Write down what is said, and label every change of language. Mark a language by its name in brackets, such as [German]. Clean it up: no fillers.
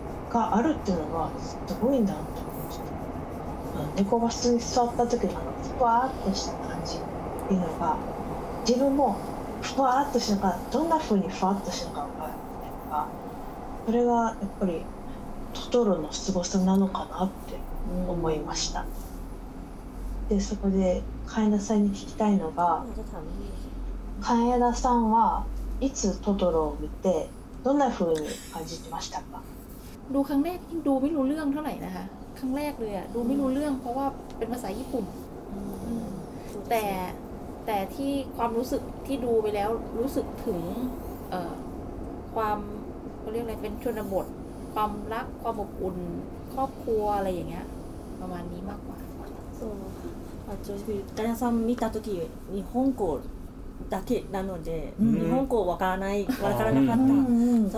[Japanese] があるっていうのがすごいんだと思って、猫が座った時のふわーっとした感じっていうのが、自分もふわーっとしながらどんな風にふわっとしながらかっていうのが、それはやっぱりトトロの凄さなのかなって思いました。でそこでカエナさんに聞きたいのが、カエナさんはいつトトロを見てどんな風に感じてましたか？ [Thai] ดูครั้งแรกที่ดูไม่รู้เรื่องเท่าไหร่นะคะครั้งแรกเลยอะดูไม่รู้เรื่องเพราะว่าเป็นภาษาญี่ปุ่นแต่ที่ความรู้สึกที่ดูไปแล้วรู้สึกถึงความเขาเรียกอะไรเป็นชนบทความรักความอบอุ่นครอบครัวอะไรอย่างเงี้ยประมาณนี้มากกว่า [Japanese] そう、あ、ちょっと、かやさん見たとき日本語だけなので、日本語わからない、わからなかった。